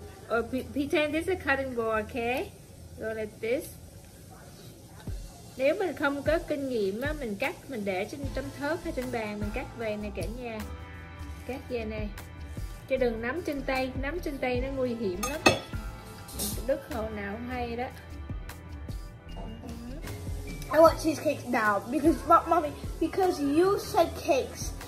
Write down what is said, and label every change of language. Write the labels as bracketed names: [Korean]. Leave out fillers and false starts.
[English] Or pretend this is a cut and go, okay? Go like this. [Vietnamese] Nếu mình không có kinh nghiệm á, mình cắt mình để trên trong thớt hay trên bàn mình cắt về nè cả nhà. Cắt về nè. Chứ đừng nắm trên tay nó nguy hiểm lắm. Đứt hồi nào cũng hay đó. [English] I want cheesecake now because mommy, because you said cakes.